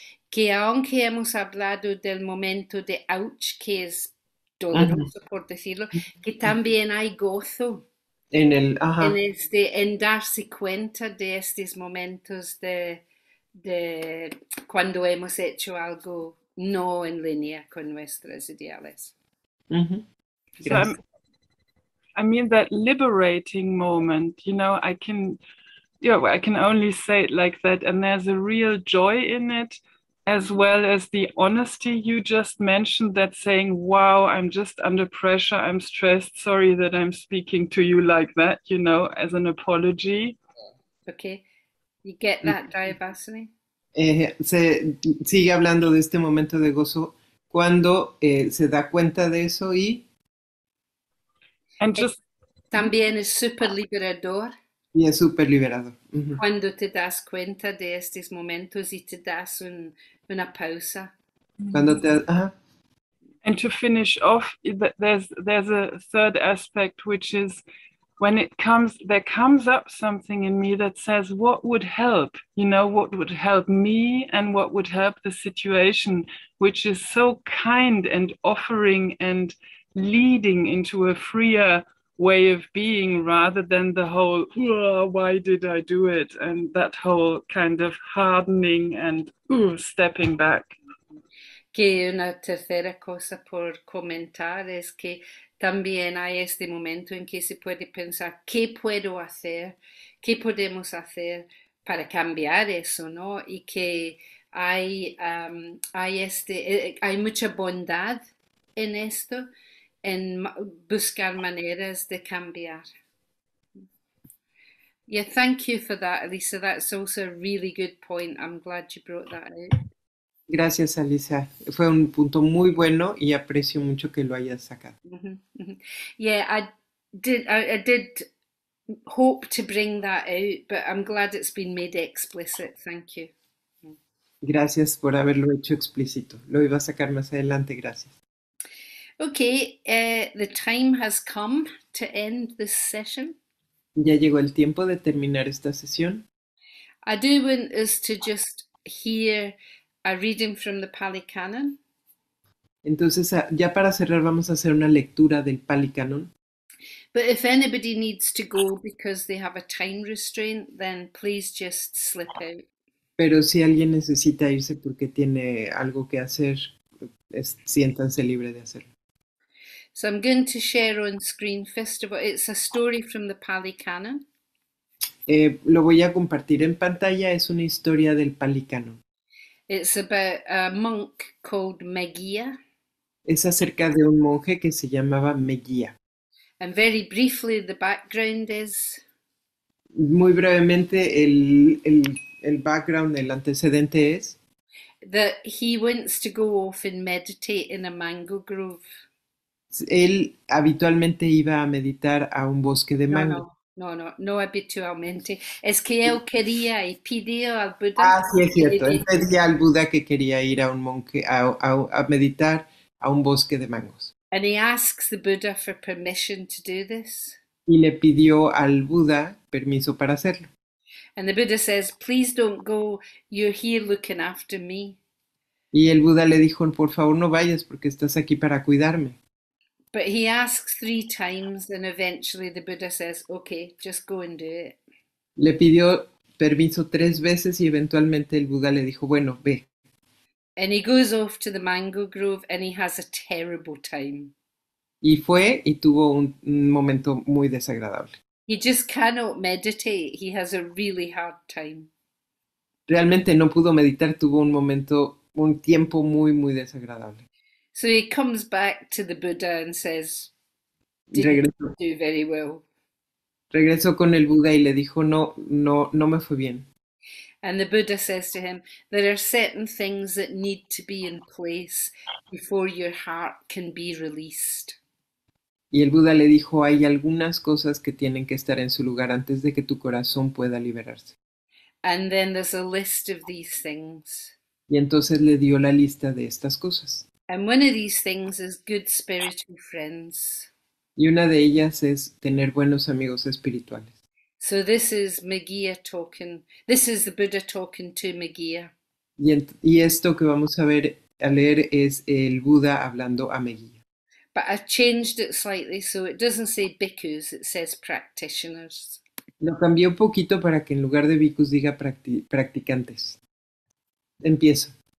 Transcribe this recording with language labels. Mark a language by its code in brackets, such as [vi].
[es] que aunque hemos hablado del momento de ouch, que es doloroso, por decirlo, que también hay gozo en el en darse cuenta de estos momentos de cuando hemos hecho algo no en línea con nuestros ideales. [en] I mean that liberating moment, you know, I can only say it like that, and there's a real joy in it, as well as the honesty you just mentioned, that saying, wow, I'm just under pressure, I'm stressed, sorry that I'm speaking to you like that, you know, as an apology. Okay, you get that, Diabasini? [es] Se sigue hablando de este momento de gozo, cuando se da cuenta de eso y... [en] And just, [es] también es super liberador. Y es super liberador. Cuando te das cuenta de estos momentos y te das una pausa. Cuando te, [en] And to finish off, there's a third aspect, which is when it comes, there comes up something in me that says, what would help? You know, what would help me and what would help the situation, which is so kind and offering and leading into a freer way of being, rather than the whole why did I do it, and that whole kind of hardening and stepping back. [es] Que una tercera cosa por comentar es que también hay este momento en que se puede pensar qué puedo hacer, qué podemos hacer para cambiar eso, ¿no? Y que hay mucha bondad en esto, en buscar maneras de cambiar. [en] Yeah, thank you for that, Alisa. That's also a really good point. I'm glad you brought that out. [es] Gracias, Alisa. Fue un punto muy bueno y aprecio mucho que lo hayas sacado. [en] I did hope to bring that out, but I'm glad it's been made explicit. Thank you. [es] Gracias por haberlo hecho explícito. Lo iba a sacar más adelante. Gracias. [en] Okay, the time has come to end this session. [es] Ya llegó el tiempo de terminar esta sesión. [en] I do want us to just hear a reading from the Pali Canon. [es] Entonces, ya para cerrar, vamos a hacer una lectura del Pali Canon. [en] But if anybody needs to go because they have a time restraint, then please just slip out. [es] Pero si alguien necesita irse porque tiene algo que hacer, siéntanse libre de hacerlo. [en] So I'm going to share on screen, first of all, it's a story from the Pali Canon. [es] Lo voy a compartir en pantalla, es una historia del Pali Canon. [en] It's about a monk called Meghia. [es] Es acerca de un monje que se llamaba Meghia. [en] And very briefly, the background is... [es] Muy brevemente, el background, el antecedente es... [en] That he wants to go off and meditate in a mango grove. [es] Él habitualmente iba a meditar a un bosque de mango. No habitualmente. Es que él quería y pidió al Buda. Ah, sí, es cierto. Él pedía al Buda que quería ir a un monje a meditar a un bosque de mangos. [en] And he asks the Buddha for permission to do this. [es] Y le pidió al Buda permiso para hacerlo. [en] And the Buddha says, please don't go. You're here looking after me. [es] Y el Buda le dijo, por favor no vayas porque estás aquí para cuidarme. [en] But he asks three times, and eventually the Buddha says, okay, just go and do it. [es] Le pidió permiso tres veces y eventualmente el Buda le dijo, bueno, ve. [en] And he goes off to the mango grove and he has a terrible time. [es] Y fue y tuvo un momento muy desagradable. [en] He just cannot meditate. He has a really hard time. [es] Realmente no pudo meditar. Tuvo un momento, un tiempo muy, muy desagradable. [en] So he comes back to the Buddha and says, didn't do very well. [es] Regresó con el Buda y le dijo, no me fue bien. [en] And the Buddha says to him, there are certain things that need to be in place before your heart can be released. [es] Y el Buda le dijo, hay algunas cosas que tienen que estar en su lugar antes de que tu corazón pueda liberarse. [en] And then there's a list of these things. [es] Y entonces le dio la lista de estas cosas. [en] And one of these things is good spiritual friends. [es] Y una de ellas es tener buenos amigos espirituales. [en] So this is Meghia talking. This is the Buddha talking to Meghia. [es] Y esto que vamos a ver a leer es el Buda hablando a Meguía. [en] But I've changed it slightly so it doesn't say bhikkhus, it says practitioners. [es] Lo cambié un poquito para que en lugar de bhikkhus diga practicantes. Empiezo.